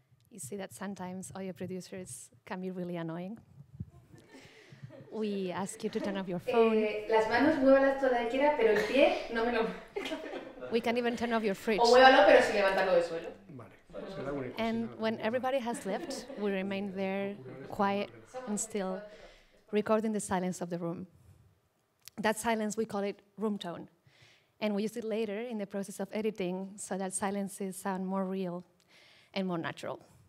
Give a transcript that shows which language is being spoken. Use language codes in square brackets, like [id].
[en] You see that sometimes all your producers can be really annoying. We ask you to turn off your phone. [es] Las manos muévalas toda la quiera, pero el pie no me lo. [en] We can even turn off your fridge. [es] O muévalo, pero sin levantarlo del suelo. Vale. [en] And when everybody has left, we remain there, quiet and still, recording the silence of the room. That silence, we call it room tone. And we use it later in the process of editing so that silences sound more real and more natural.